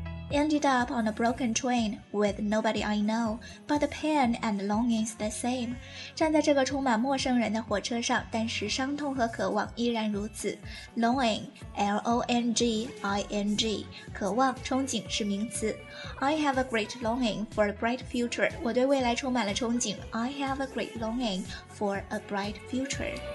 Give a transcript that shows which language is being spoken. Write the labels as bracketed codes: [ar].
[en] ended up on a broken train with nobody I know, but the pain and longing's the same. [zh] 站在这个充满陌生人的火车上，但是伤痛和渴望依然如此。 Longing, L-O-N-G-I-N-G, 渴望、憧憬是名词。 [en] I have a great longing for a bright future. [zh] 我对未来充满了憧憬。 [en] I have a great longing for a bright future.